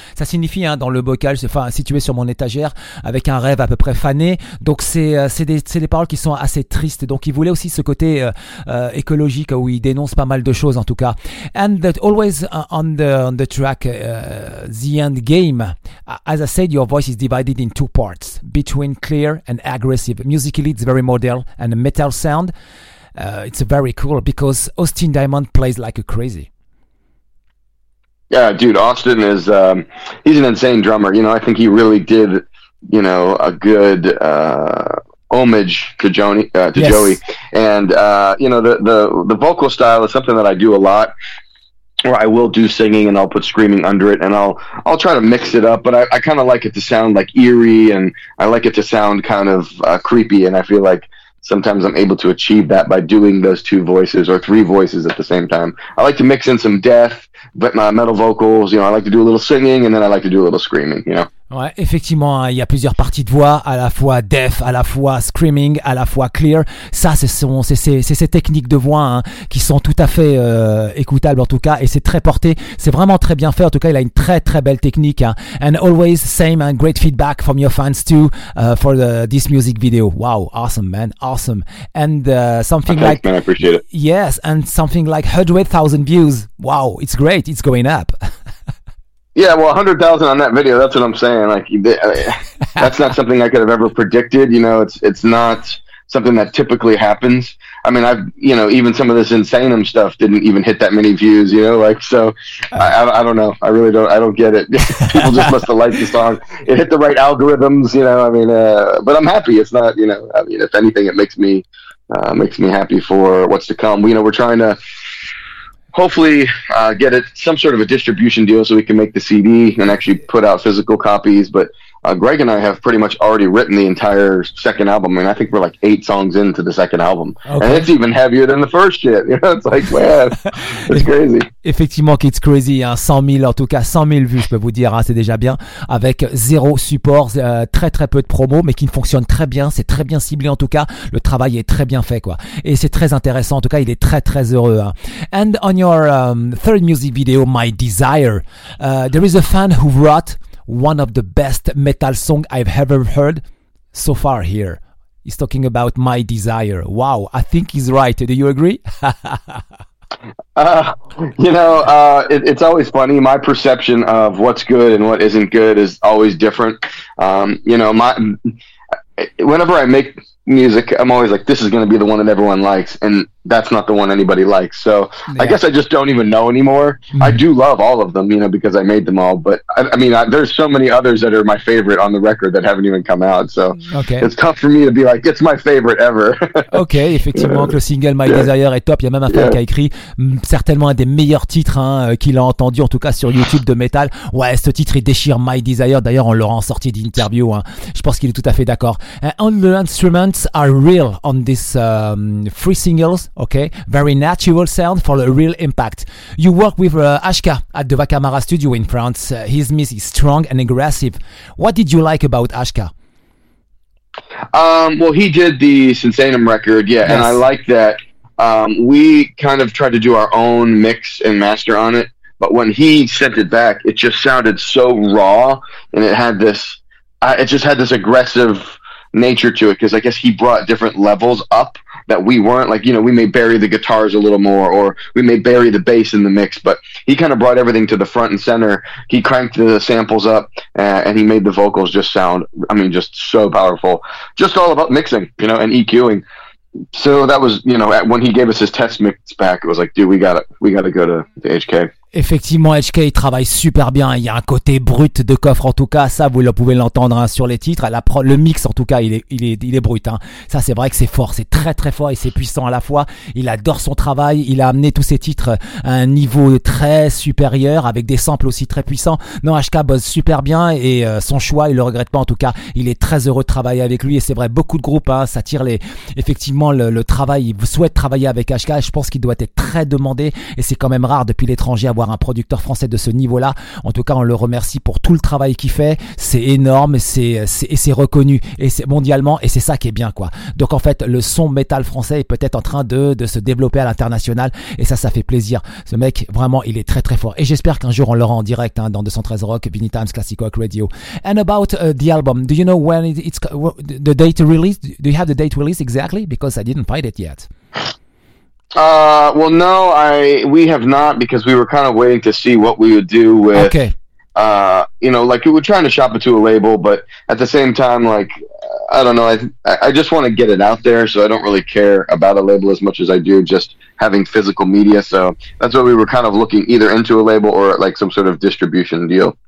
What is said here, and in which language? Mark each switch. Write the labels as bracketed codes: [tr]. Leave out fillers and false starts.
[fr] Ça signifie, hein, dans le bocal, enfin, situé sur mon étagère, avec un rêve à peu près fané. Donc, c'est des paroles qui sont assez tristes. Donc, il voulait aussi ce côté écologique où il dénonce pas mal de choses, en tout cas. [en] And that always on the track, The End Game. As I said, your voice is divided in two parts, between clear and aggressive music. Musically, it's very modern and a metal sound. It's very cool because Austin Diamond plays like a crazy. Yeah, dude, Austin is he's an insane drummer. You know, I think he really did, you know, a good homage to Joey. Joey, and you know, the vocal style is something that I do a lot. Where I will do singing and I'll put screaming under it and I'll try to mix it up, but I kind of like it to sound like eerie and I like it to sound kind of creepy, and I feel like sometimes I'm able to achieve that by doing those two voices or three voices at the same time. I like to mix in some death, but my metal vocals, you know, I like to do a little singing and then I like to do a little screaming, you know. [fr] Ouais, effectivement, il y a plusieurs parties de voix, à la fois deaf, à la fois screaming, à la fois clear. Ça, c'est ces techniques de voix, hein, qui sont tout à fait écoutables, en tout cas, et c'est très porté. C'est vraiment très bien fait. En tout cas, il a une très très belle technique. Hein. [en] And always same and great feedback from your fans too for this music video. Wow, awesome, man, awesome. And something thanks, like man, I appreciate it. Yes, and something like 100,000 views. Wow, it's great. It's going up. Yeah, well, 100,000 on that video, that's what I'm saying. Like, that's not something I could have ever predicted. You know, it's not something that typically happens. I mean, I've, you know, even some of this Insanum stuff didn't even hit that many views, you know, like, so I don't know. I really don't. I don't get it. People just must have liked the song. It hit the right algorithms, you know, I mean, but I'm happy. It's not, you know, I mean, if anything, it makes me happy for what's to come. You know, we're trying to hopefully get it some sort of a distribution deal so we can make the CD and actually put out physical copies. But Greg and I have pretty much already written the entire second album. I mean, I think we're like 8 songs into the second album. Okay. And it's even heavier than the first shit. You know, it's like, man, it's crazy. Effectivement, it's crazy. Hein. [fr] 100 000, en tout cas, 100 000 vues, je peux vous dire. Hein, c'est déjà bien. Avec zéro support, très, très peu de promos, mais qui fonctionne très bien. C'est très bien ciblé, en tout cas. Le travail est très bien fait, quoi. Et c'est très intéressant. En tout cas, il est très, très heureux. Hein. [en] And on your third music video, My Desire, there is a fan who wrote one of the best metal song I've ever heard so far here. He's talking about My Desire. Wow, I think he's right. Do you agree? it's always funny. My perception of what's good and what isn't good is always different. Whenever I make music, I'm always like, this is going to be the one that everyone likes. And that's not the one anybody likes. So yeah. I guess I just don't even know anymore. Mm-hmm. I do love all of them, you know, because I made them all. But there's so many others that are my favorite on the record that haven't even come out. So okay. It's tough for me to be like, it's my favorite ever. [fr] Okay, effectivement, yeah. Le single My yeah. Desire est top. Il y a même un fan yeah. qui a écrit certainement un des meilleurs titres hein, qu'il a entendu, en tout cas sur YouTube de Metal. Ouais, ce titre, il déchire My Desire. D'ailleurs, on l'aura en sortie d'interview. Hein. Je pense qu'il est tout à fait d'accord. [en] On the instruments are real on this three singles. Okay, very natural sound for a real impact. You work with Ashka at the Vacamara studio in France. His music is strong and aggressive. What did you like about Ashka? He did the Sinsanum record, yeah, yes. And I like that. We kind of tried to do our own mix and master on it, but when he sent it back, it just sounded so raw, and it had this, it just had this aggressive nature to it, because I guess he brought different levels up that we weren't, like, you know, we may bury the guitars a little more, or we may bury the bass in the mix, but he kind of brought everything to the front and center. He cranked the samples up, and he made the vocals just sound, I mean, just so powerful. Just all about mixing, you know, and EQing. So that was, you know, when he gave us his test mix back, it was like, dude, we gotta go to HK. [fr] Effectivement, HK travaille super bien. Il y a un côté brut de coffre, en tout cas. Ça, vous le pouvez l'entendre hein, sur les titres. Le mix, en tout cas, il est brut. Hein. Ça, c'est vrai que c'est fort. C'est très, très fort et c'est puissant à la fois. Il adore son travail. Il a amené tous ses titres à un niveau très supérieur avec des samples aussi très puissants. Non, HK bosse super bien et son choix, il le regrette pas. En tout cas, il est très heureux de travailler avec lui. Et c'est vrai, beaucoup de groupes, hein, ça tire les, effectivement, le travail. Il souhaite travailler avec HK. Je pense qu'il doit être très demandé et c'est quand même rare depuis l'étranger avoir un producteur français de ce niveau-là. En tout cas, on le remercie pour tout le travail qu'il fait. C'est énorme, c'est reconnu et c'est mondialement et c'est ça qui est bien, quoi. Donc en fait, le son métal français est peut-être en train de se développer à l'international et ça fait plaisir. Ce mec, vraiment, il est très très fort et j'espère qu'un jour on l'aura en direct hein, dans 213 Rock, Vinny Times, Classic Rock Radio. [en] And about the album, do you know when it's the date release? Do you have the date release exactly? Because I didn't find it yet. We have not, because we were kind of waiting to see what we would do with, okay. We're trying to shop it to a label, but at the same time, like, I don't know, I just want to get it out there, so I don't really care about a label as much as I do just having physical media, so that's why we were kind of looking either into a label or like some sort of distribution deal.